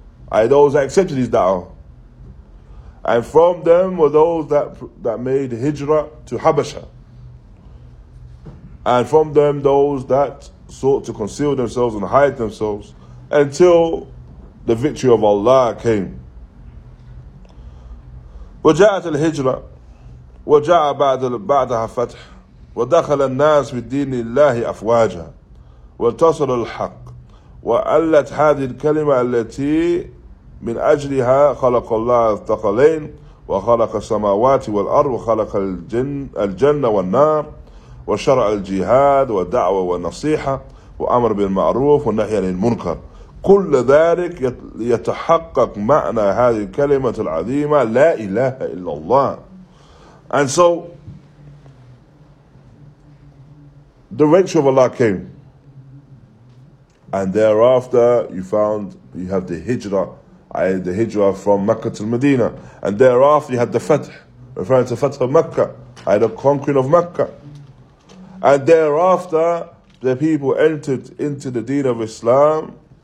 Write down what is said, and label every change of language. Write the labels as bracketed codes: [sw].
[en] And those that accepted his da'wah. And from them were those that made hijrah to Habasha. And from them those that sought to conceal themselves and hide themselves until the victory of Allah came. [ar] وجاءت الهجرة وجاء بعدها فتح ودخل الناس بالدين الله أفواجا وانتصر الحق وألت هذه الكلمة التي من أجلها خلق الله الثقلين وخلق السماوات والأرض وخلق الجنة والنار وشرع الجهاد والدعوة والنصيحة وأمر بالمعروف والنهي عن المنكر. كل ذلك يتحقق معنى هذه الكلمة العظيمة لا إله إلا الله. [en] And so the wrench of Allah came, and thereafter you have the hijrah, the hijrah from Makkah to Medina, and thereafter you had the fatḥ, referring to fatḥ of Makkah, the conquering of Makkah, and thereafter the people entered into the deen of Islam.